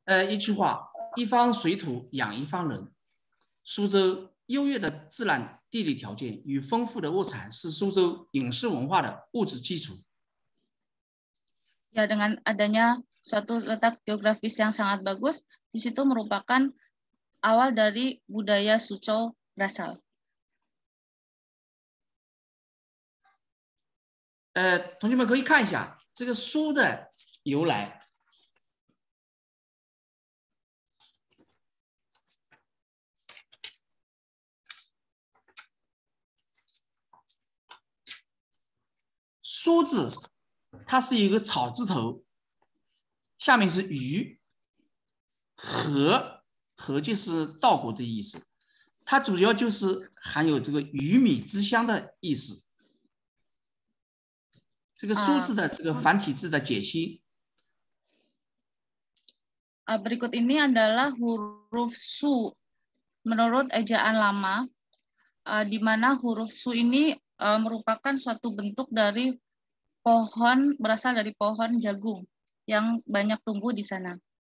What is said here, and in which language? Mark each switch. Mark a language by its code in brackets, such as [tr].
[zh] 一句话，一方水土养一方人。苏州优越的自然地理条件与丰富的物产是苏州饮食文化的物质基础。 [id] Ya, dengan adanya suatu letak geografis yang sangat bagus, di situ merupakan awal dari budaya Suzhou berasal. [zh] 同学们可以看一下这个苏的由来。苏字它是一个草字头，下面是鱼，禾就是稻谷的意思，它主要就是含有这个鱼米之乡的意思。这个苏字的这个繁体字的解析。 [id] Berikut ini adalah huruf su menurut ejaan lama, di mana huruf su ini merupakan suatu bentuk dari pohon, berasal dari pohon jagung yang banyak tumbuh di sana.